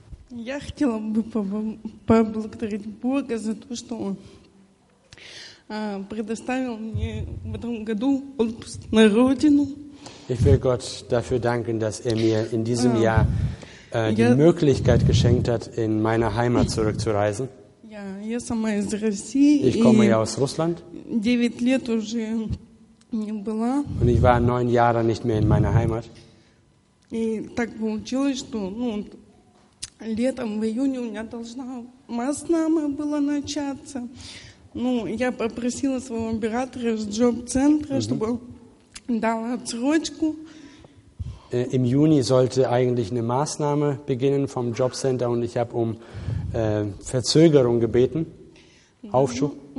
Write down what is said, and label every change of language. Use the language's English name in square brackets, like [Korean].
[Russian] Я хотела бы поблагодарить Бога за то, что Он предоставил мне в этом году отпуск на родину. [German] Ich will Gott dafür danken, dass er mir in diesem Jahr die Möglichkeit geschenkt hat, in meine Heimat zurückzureisen. [Russian] Ja, я сама из России. [German] Ich komme ja aus Russland. [Russian] 9 лет уже не была. [German] Und ich war 9 Jahre nicht mehr in meiner Heimat. [Russian] И так получилось, что, ну, летом, в июне у меня должна Maßnahme была начаться. Ну, я попросила своего оператора из Jobcenter, чтобы дал отсрочку. [German] Im Juni sollte eigentlich eine Maßnahme beginnen vom Jobcenter und ich habe um Verzögerung gebeten, Aufschub.